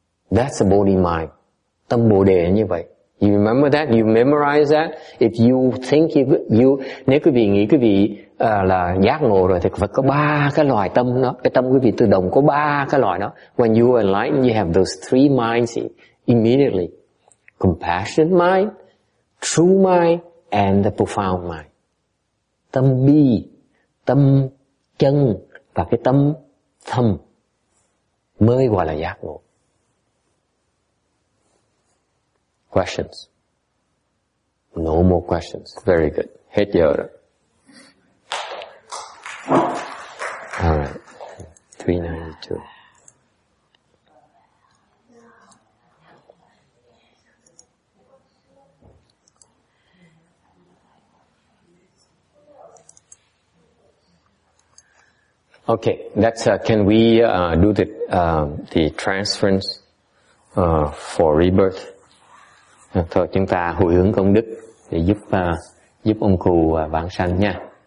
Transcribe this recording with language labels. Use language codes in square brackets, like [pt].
[en] That's the body mind. [vi] Tâm bồ đề như vậy. [en] You remember that? You memorize that? If you think you [vi] nếu quý vị nghĩ quý vị là giác ngộ rồi thì phải có ba cái loại tâm đó. Cái tâm quý vị tự động có ba cái loại đó. [en] When you are enlightened, you have those three minds immediately. Compassionate mind, true mind, and the profound mind. [vi] Tâm bi, tâm chân và cái tâm thâm mới gọi là giác ngộ. [en] Questions? No more questions. Very good. [vi] Hết giờ rồi. [en] All right. 392. Okay, that's can we do the transference for rebirth? [vi] Thôi chúng ta hồi hướng công đức để giúp giúp ông cụ vãng sanh nha.